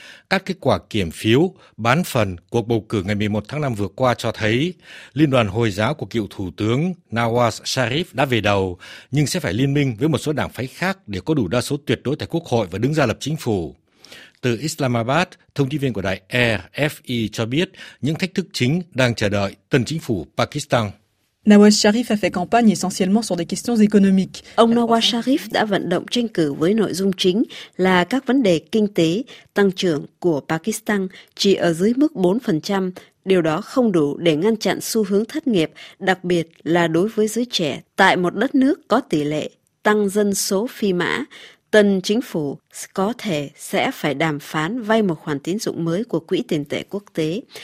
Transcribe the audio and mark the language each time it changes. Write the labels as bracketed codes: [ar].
[vi] Các kết quả kiểm phiếu, bán phần cuộc bầu cử ngày 11 tháng 5 vừa qua cho thấy Liên đoàn Hồi giáo của cựu Thủ tướng Nawaz Sharif đã về đầu, nhưng sẽ phải liên minh với một số đảng phái khác để có đủ đa số tuyệt đối tại Quốc hội và đứng ra lập chính phủ. Từ Islamabad, thông tin viên của đài RFI cho biết những thách thức chính đang chờ đợi tân chính phủ Pakistan. [fr] Nawaz Sharif a fait campagne essentiellement sur des questions économiques. [vi] Ông Nawaz Sharif đã vận động tranh cử với nội dung chính là các vấn đề kinh tế. Tăng trưởng của Pakistan chỉ ở dưới mức 4%, điều đó không đủ để ngăn chặn xu hướng thất nghiệp, đặc biệt là đối với giới trẻ. Tại một đất nước có tỷ lệ tăng dân số phi mã, tân chính phủ có thể sẽ phải đàm phán vay một khoản tín dụng mới của Quỹ Tiền tệ Quốc tế.